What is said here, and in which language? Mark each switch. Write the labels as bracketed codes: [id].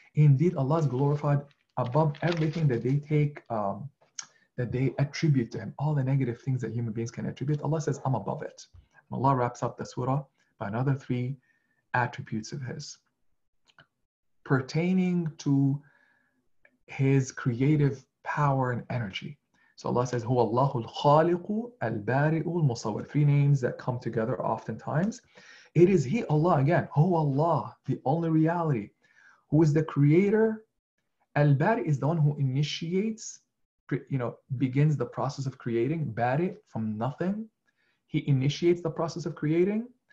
[en] Indeed, Allah is glorified above everything that they take, that they attribute to him. All the negative things that human beings can attribute, Allah says, I'm above it. And Allah wraps up the surah by another three attributes of his. Pertaining to his creative power and energy. [ar] So Allah says, هو الله الخالق البارئ المصور. [en] Three names that come together oftentimes. It is he, Allah, again, who Allah, the only reality, who is the creator. Al-Bari is the one who initiates, begins the process of creating. Bari, from nothing. He initiates the process of creating.